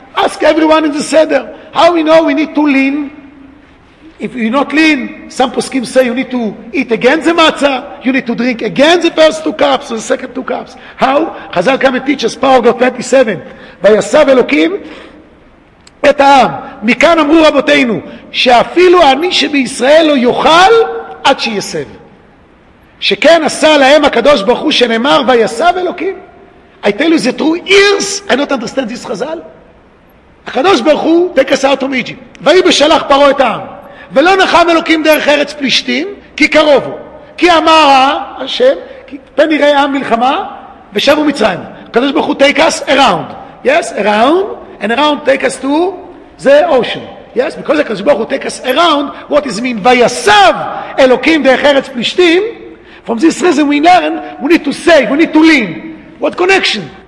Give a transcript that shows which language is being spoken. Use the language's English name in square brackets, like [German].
[English] Ask everyone in the Seder, how we know we need to lean. If you're not lean, some poskim say you need to eat again the matzah, you need to drink again the first 2 cups, or the second 2 cups. How? Chazal come and teach us, paragraph 27, Vayasav Elokim, [Hebrew] את העם. מכאן אמרו רבותינו שאפילו אני שבישראל לא יאכל עד שיסב. שכן עשה להם הקדוש ברוך הוא שנאמר ויסב אלוקים. [English] I tell you the true ears, I don't understand this חזל. הקדוש ברוך הוא, take us out of Egypt. [Hebrew] ויהי בשלח פרעה את העם. ולא נחם אלוקים דרך ארץ פלישתים, כי קרוב הוא. כי אמר השם, פן יראה עם מלחמה, ושבו מצרים. [English] הקדוש ברוך הוא, take us around. Yes, around. And around take us to the ocean. Yes, because HaKadosh Baruch Hu take us around, what does it mean? Vayasav Elokim derech Eretz Plishtim. From this reason we learn, we need to say, we need to lean. What connection?